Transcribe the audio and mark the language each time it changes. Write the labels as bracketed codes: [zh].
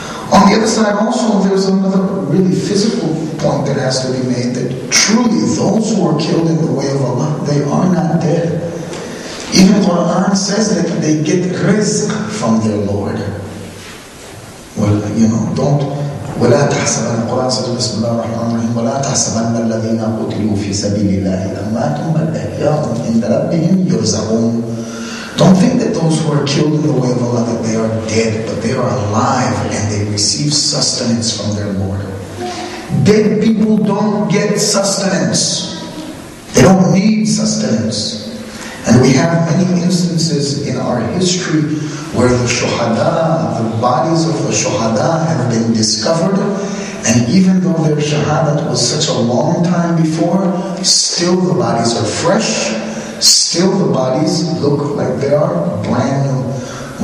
[en] On the other side also, there's another really physical point that has to be made, that truly those who are killed in the way of Allah, they are not dead. Even Quran says that they get rizq from their Lord. Well, you know, don't... [ar] وَلَا تَحْسَبَنَّ [en] Quran says, [ar] بِسْمِ اللَّهِ وَلَا تَحْسَبَنَّ الَّذِينَ قُتِلُوا فِي سَبِيلِ اللَّهِ أَمَّاتٌ بَلْ أَحْيَاءٌ عِنْدَ رَبِّهِمْ يُرْزَقُونَ. [en] Don't think that those who are killed in the way of Allah, that they are dead, but they are alive and they receive sustenance from their Lord. Dead people don't get sustenance. They don't need sustenance. And we have many instances in our history where the shuhada, the bodies of the shuhada have been discovered, and even though their shahadat was such a long time before, still the bodies are fresh, still the bodies look like they are brand new.